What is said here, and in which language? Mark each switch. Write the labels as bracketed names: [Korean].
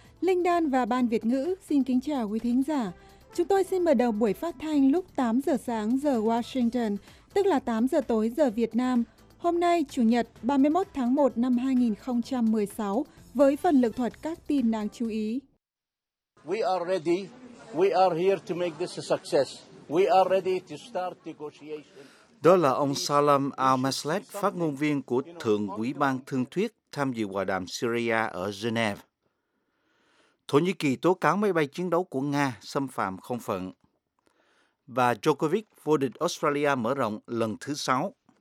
[Vietnamese] Linh Đan và Ban Việt Ngữ xin kính chào quý thính giả. Chúng tôi xin mở đầu buổi phát thanh lúc 8 giờ sáng giờ Washington, tức là 8 giờ tối giờ Việt Nam. Hôm nay, Chủ nhật 31 tháng 1 năm 2016, với phần lược thuật các tin đáng chú ý. [English] We are ready. We are here to make this a success. We are ready to start negotiations. [Vietnamese] Đó là ông Salem Al-Maslet, phát ngôn viên của Thượng Ủy ban Thương thuyết tham dự hòa đàm Syria ở Geneva. Thổ Nhĩ Kỳ tố cáo máy bay chiến đấu của Nga xâm phạm không phận. Và Djokovic vô địch Australia mở rộng lần thứ 6.